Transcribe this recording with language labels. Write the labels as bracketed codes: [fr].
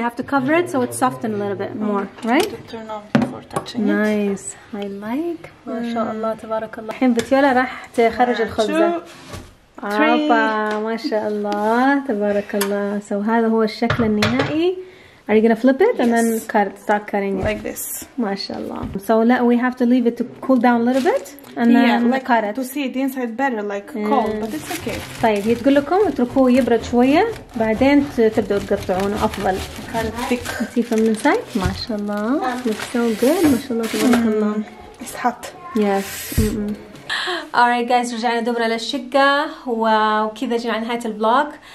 [en] You have to cover it so it's softened a little bit more, right? Turn on before touching nice. it. Nice. I like. [ar] ما شاء الله تبارك الله. الحين بتيولا راح تخرج الخبزة. أوبا ما شاء الله تبارك الله. So هذا هو الشكل النهائي. [en] Are you gonna flip it and then start cutting it? Like this. MashaAllah. So we have to leave it to cool down a little bit and then cut it. To see the inside better, like cold, but it's okay. [ar] طيب هي تقول لكم اتركوه يبرد شوية بعدين تبدأوا تقطعونه أفضل. [en] Cut it from inside. MashaAllah. Looks so good. MashaAllah. تبارك الله. It's hot. Yes. [ar] Alright guys, رجعنا دوبنا للشقة وكذا جينا على نهاية الفلوج.